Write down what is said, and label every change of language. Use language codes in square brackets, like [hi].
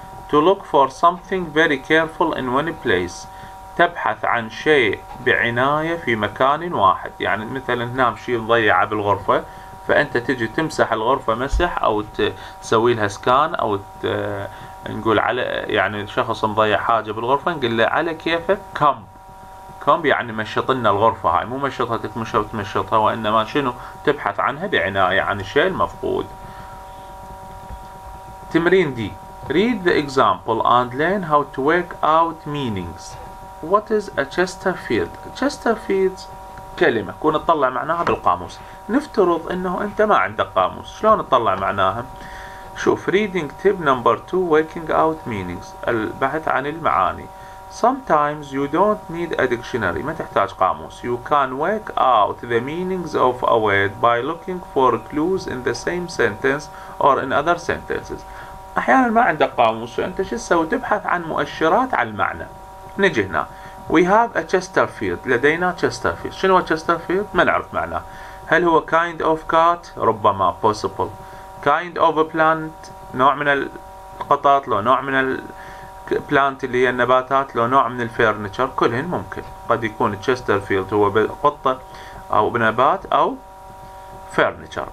[en] to look for something very careful in one place [ar] تبحث عن شيء بعناية في مكان واحد يعني مثلا نام شيء مضيعة بالغرفة فانت تجي تمسح الغرفة مسح او تسوي لها سكان او نقول على يعني شخص مضيع حاجة بالغرفة نقول له على كيفك come كومب يعني مشطنا الغرفة هاي مو مشطها تكمشها وتمشطها وإنما شنو تبحث عنها بعناية عن الشيء المفقود. [en] تمرين دي read the example and learn how to work out meanings. What is a Chesterfield? [ar] Chesterfield كلمة كون تطلع معناها بالقاموس. نفترض انه انت ما عندك قاموس شلون تطلع معناها. [en] شوف reading tip number 2 working out meanings البحث عن المعاني. Sometimes you don't need a dictionary. ما تحتاج قاموس. You can work out the meanings of a word by looking for clues in the same sentence or in other sentences. [ar] أحيانا ما عندك قاموس وأنت شو تسوي تبحث عن مؤشرات على المعنى. [en] نجي هنا. We have a Chesterfield. لدينا Chesterfield. [ar] شنو Chesterfield؟ ما نعرف معناه. هل هو kind of cat؟ ربما possible. Kind of a plant؟ نوع من القطط لو نوع من بلانت اللي هي النباتات لو نوع من الفيرنتشر كلهن ممكن قد يكون تشسترفيلد هو قطة او بنبات او فيرنتشر.